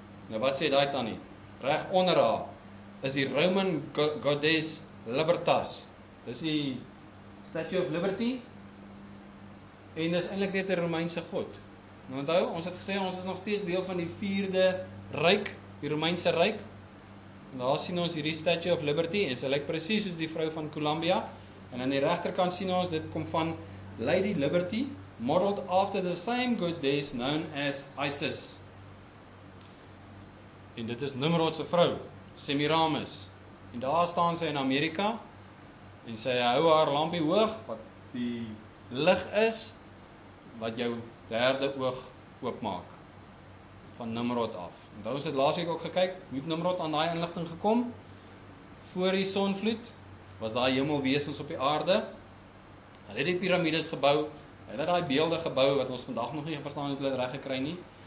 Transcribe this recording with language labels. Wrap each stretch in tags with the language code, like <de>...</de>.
<af>Nou wat sê daai tannie? Reg onder haar, is die Roman Goddess Libertas, dis die Statue of Liberty, en dis eintlik net 'n Romeinse god. Nou onthou, ons het gesê, ons is nog steeds deel van die vierde ryk, die Romeinse ryk, en daar sien ons hierdie Statue of Liberty, en sy lyk presies soos die vrou van Columbia. En aan die regterkant sien ons, dit kom van Lady Liberty,</af> <en>modeled after the same good deities known as Isis.</en> <af>En dit is Nimrod se vrou, Semiramis. En daar staan sy in Amerika en sy hou haar lampie hoog wat die lig is wat jou derde oog oopmaak van Nimrod af. Onthou ons het laasweek ook gekyk hoe Nimrod aan daai inligting gekom. Voor die sonvloed was daai hemelwesens op die aarde. Hulle het die piramides gebou, hulle het daai beelde gebou wat ons vandag nog nie verstaan hoe hulle dit reg gekry nie.</af>